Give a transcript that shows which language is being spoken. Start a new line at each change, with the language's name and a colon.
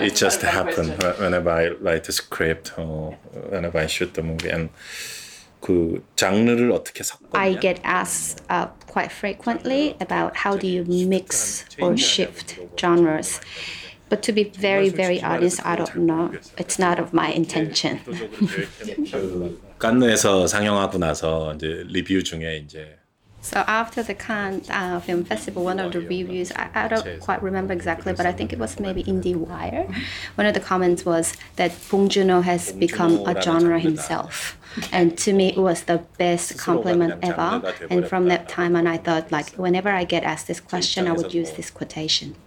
English: It just happened whenever I write a script or whenever I shoot the movie.
Korean: And 그 장르를 어떻게 섞었냐?
English: I get asked quite frequently about how do you mix or shift genres. But to be very, very honest, I don't know. It's not of my intention.
Korean: 깐느에서 상영하고 나서 이제 리뷰 중에 이제
English: So after the Cannes Film Festival, one of the reviews, I don't quite remember exactly, but I think it was maybe IndieWire. One of the comments was that Bong Joon-ho has become a genre himself. And to me, it was the best compliment ever. And from that time on, I thought, like, whenever I get asked this question, I would use this quotation.